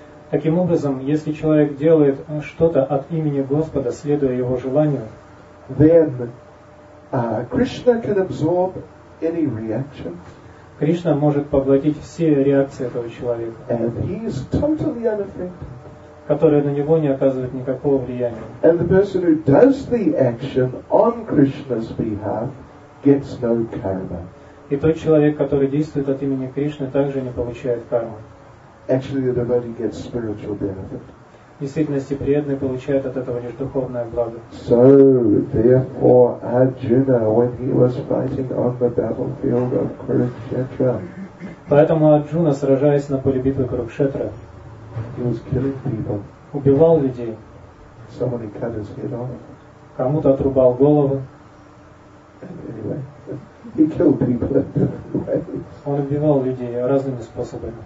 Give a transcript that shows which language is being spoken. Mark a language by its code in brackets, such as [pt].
[ru] Таким образом, если человек делает что-то от имени Господа, следуя Его желанию, [en] then Krishna can absorb any reaction. [ru] Кришна может поглотить все реакции этого человека, [en] and he is totally unaffected, [ru] которые на него не оказывают никакого влияния. [en] And the person who does the action on Krishna's behalf gets no karma. [ru] И тот человек, который действует от имени Кришны, также не получает кармы. [en] Actually, the devotee gets spiritual benefit. [ru] В действительности, преданный получает от этого лишь духовное благо. [en] So, therefore, Arjuna, when he was fighting on the battlefield of Kurukshetra, [ru] поэтому Арджуна, сражаясь на поле битвы Курукшетра, [en] he was killing people. [ru] Убивал людей. [en] Somebody cut his head off. [ru] Кому-то отрубал голову. [en] Anyway, he killed people in different ways. [ru] Он убивал людей разными способами.